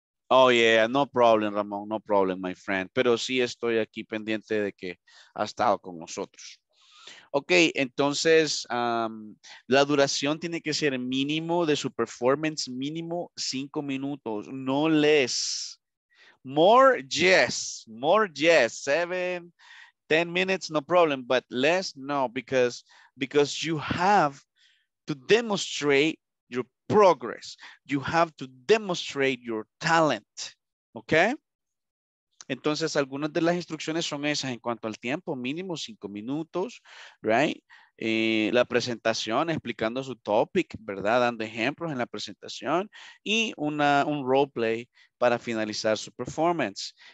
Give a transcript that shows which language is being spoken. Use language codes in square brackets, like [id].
[en] Oh, yeah, no problem, Ramón, no problem, my friend. [es] Pero sí estoy aquí pendiente de que ha estado con nosotros. Ok, entonces, la duración tiene que ser mínimo de su performance, mínimo 5 minutos, [en] no less. More, yes, 7, 10 minutes, no problem, but less, no, because you have to demonstrate progress. You have to demonstrate your talent. ¿Ok? [es] Entonces, algunas de las instrucciones son esas en cuanto al tiempo, mínimo 5 minutos, right? La presentación, explicando su topic, ¿verdad? Dando ejemplos en la presentación y un role play para finalizar su performance.